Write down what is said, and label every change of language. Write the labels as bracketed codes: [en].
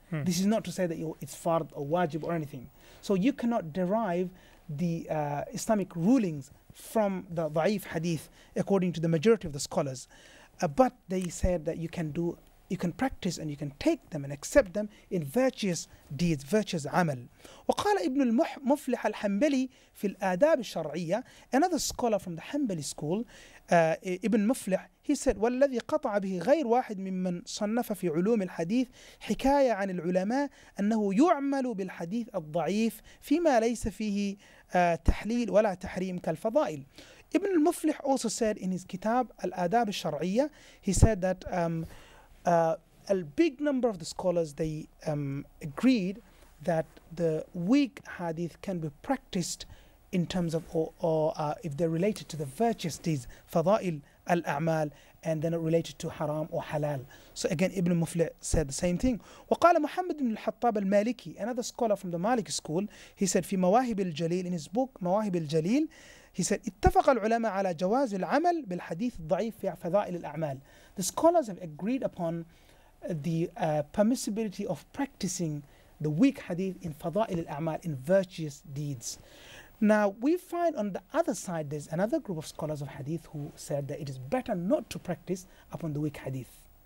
[en] This is not to say that it's fard or wajib or anything. So you cannot derive the Islamic rulings from the da'if hadith according to the majority of the scholars. But they said that you can practice and you can take them and accept them in virtuous deeds, virtuous amal. [ar] وقال ابن المفلح الحنبلي في الآداب الشرعية, [en] another scholar from the Hanbali school, Ibn Muflih, he said, [ar] وَالَّذِي قَطَعَ بِهِ غَيْرُ وَاحِدٍ مِّمَّنْ صَنَّفَ فِي عُلُومِ الْحَدِيثِ حِكَايَةً عَنِ الْعُلَمَاءِ أَنَّهُ يُعْمَلُ بِالْحَدِيثِ الضَّعِيفِ فِيمَا لَيْسَ فِيهِ تَحْلِيلٌ وَلَا تَحْرِيمٌ كَالْفَضَائِلِ. [en] Ibn al-Muflih also said in his kitab, Al-Adab al-Shar'iyya, he said that a big number of the scholars, they agreed that the weak hadith can be practiced in terms of, or if they're related to the virtuous deeds, fada'il al-a'mal, and then related to haram or halal. So again, Ibn Mufli said the same thing. [ar] وقال محمد بن الحطاب المالكي, [en] another scholar from the Malik school, he said, [ar] في مواهب الجليل, [en] in his book, [ar] مواهب الجليل, he said, اتفق العلماء على جواز العمل بالحديث الضعيف في فضائل الأعمال. [en] The scholars have agreed upon the permissibility of practicing the weak hadith in fada'il al-a'mal, in virtuous deeds. Now, we find on the other side, there's another group of scholars of hadith who said that it is better not to practice upon the weak hadith.